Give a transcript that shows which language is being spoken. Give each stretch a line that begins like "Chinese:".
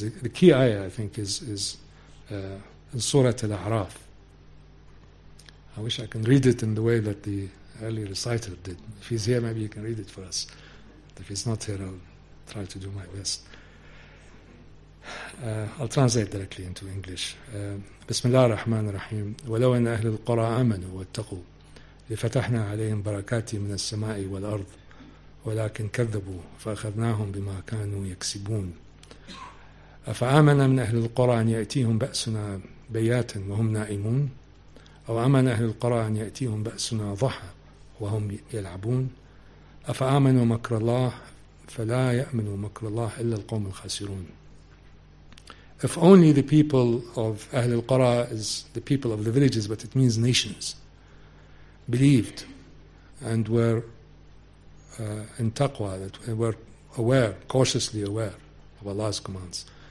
English: The key ayah, I think, is Surah Al-A'raf. I wish I can read it in the way that the early reciter did. If he's here, maybe he can read it for us. If he's not here, I'll try to do my best. I'll translate directly into English.
Arabic: بسم الله الرحمن الرحيم ولو أن أهل القرى آمنوا واتقوا لفتحنا عليهم بركات من السماء والأرض ولكن كذبوا فأخذناهم بما كانوا يكسبون أفآمن من أهل القرى أن يأتيهم بأسنا بياتا وهم نائمون أو آمن أهل القرى أن يأتيهم بأسنا ضحى وهم يلعبون أفآمنوا مكر الله فلا يأمن مكر الله إلا القوم الخاسرون.
English: If only the people of Ahl al-Qura is the people of the villages, but it means nations, believed and were in taqwa, that were aware, cautiously aware of Allah's commands.